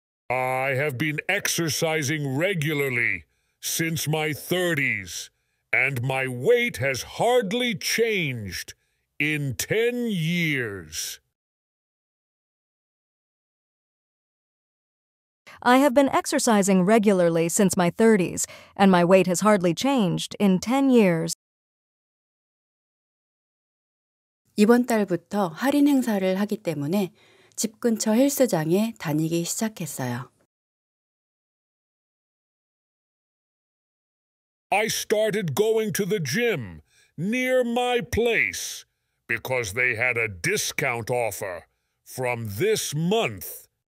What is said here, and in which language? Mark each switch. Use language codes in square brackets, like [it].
[en] I have been exercising regularly since my 30s, and my weight has hardly changed in 10 years. I have been exercising regularly since my 30s, and my weight has hardly changed in 10 years. [ko] 이번 달부터 할인 행사를 하기 때문에 집 근처 헬스장에 다니기 시작했어요. [en] I started going to the gym near my place because they had a discount offer from this month.